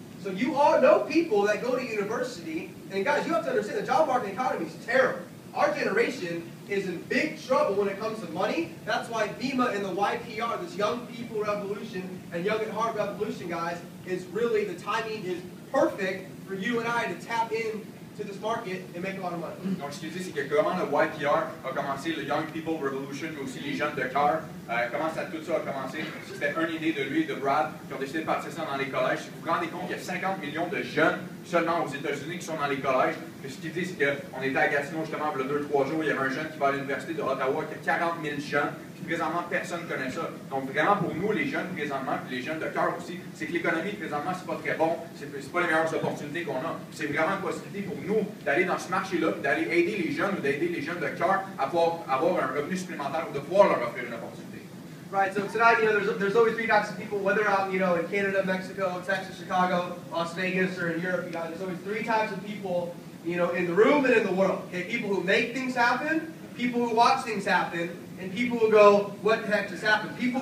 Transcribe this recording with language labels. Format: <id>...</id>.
<en>So you all know people that go to university, and guys, you have to understand the job market economy is terrible. Our generation is in big trouble when it comes to money. That's why VEMA and the YPR, this Young People Revolution and Young at Heart Revolution, guys, is really, the timing is perfect for you and I to tap in to this market and make a lot of money.</en> <fr>Donc, ce que je dis, c'est que comment le YPR a commencé, le Young People Revolution, mais aussi les jeunes de cœur, comment ça, tout ça a commencé, c'était une idée de lui et de Brad qui ont décidé de partir ça dans les collèges. Si vous vous rendez compte qu'il y a 50 millions de jeunes seulement aux États-Unis qui sont dans les collèges, puis ce qu'ils disent, c'est qu'on était à Gatineau justement il y a 2-3 jours, il y avait un jeune qui va à l'université de Ottawa qui a 40 000 jeunes, puis présentement personne ne connaît ça. Donc vraiment pour nous, les jeunes présentement, puis les jeunes de cœur aussi, c'est que l'économie présentement, c'est pas très bon, c'est pas les meilleures opportunités qu'on a. Puis c'est vraiment une possibilité pour nous d'aller dans ce marché-là, puis d'aller aider les jeunes ou d'aider les jeunes de cœur à pouvoir avoir un revenu supplémentaire ou de pouvoir leur offrir une opportunité.</fr> <en>Right, so tonight, you know, there's always three types of people, whether out, you know, in Canada, Mexico, Texas, Chicago, Las Vegas, or in Europe, you guys, there's always three types of people, you know, in the room and in the world, okay? People who make things happen, people who watch things happen, and people who go, what the heck just happened?</en>